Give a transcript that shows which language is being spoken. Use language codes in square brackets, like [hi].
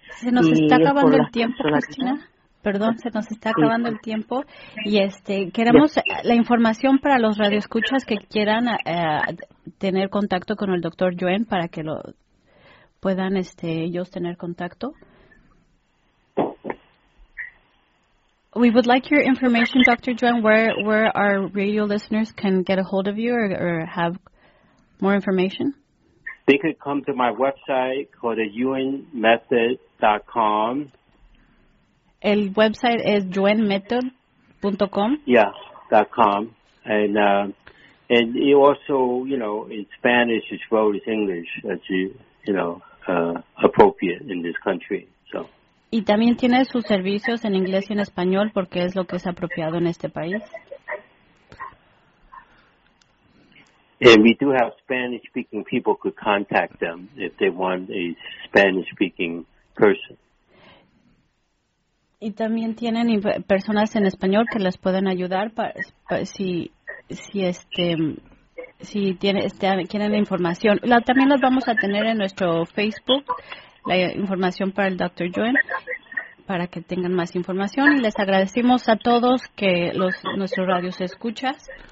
[es] Se nos está acabando el tiempo, Cristina. Perdón, se nos está acabando el tiempo. Y queremos la información para los radioescuchas que quieran tener contacto con el doctor Yuen para que lo puedan ellos tener contacto. [en] We would like your information, Dr. Yuen, where our radio listeners can get a hold of you or have more information. They could come to my website called theyuenmethod.com. El website is yuenmethod.com. Yeah, .com. And you also, you know, in Spanish as well as English, as you know, appropriate in this country. [es] Y también tiene sus servicios en inglés y en español porque es lo que es apropiado en este país. [en] And we do have Spanish-speaking people could contact them if they want a Spanish-speaking person. [es] Y también tienen personas en español que les pueden ayudar si quieren información. También las vamos a tener en nuestro Facebook, la información para el Dr. Yuen, para que tengan más información. Y les agradecemos a todos que nuestros radios escuchas.